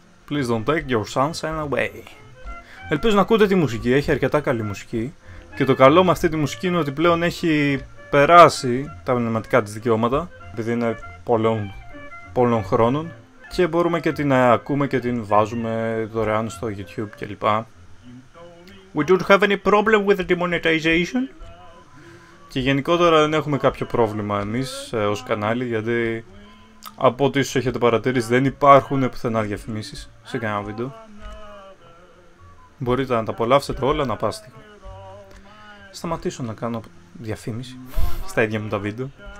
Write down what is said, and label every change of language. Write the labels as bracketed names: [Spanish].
[English] Please don't take your sunshine away. [Greek] Ελπίζω να ακούτε τη μουσική, έχει αρκετά καλή μουσική. Και το καλό με αυτή τη μουσική είναι ότι πλέον έχει περάσει τα πνευματικά της δικαιώματα. Επειδή είναι πολλών χρόνων και μπορούμε και την ακούμε και την βάζουμε δωρεάν στο YouTube κλπ. [English] We don't have any problem with the demonetization. [Greek] Και γενικότερα δεν έχουμε κάποιο πρόβλημα εμείς ως κανάλι, γιατί από ό,τι ίσως έχετε παρατηρήσει δεν υπάρχουν πουθενά διαφημίσεις σε κανένα βίντεο. Μπορείτε να τα απολαύσετε όλα να πάστε. Σταματήσω να κάνω διαφήμιση στα ίδια μου τα βίντεο.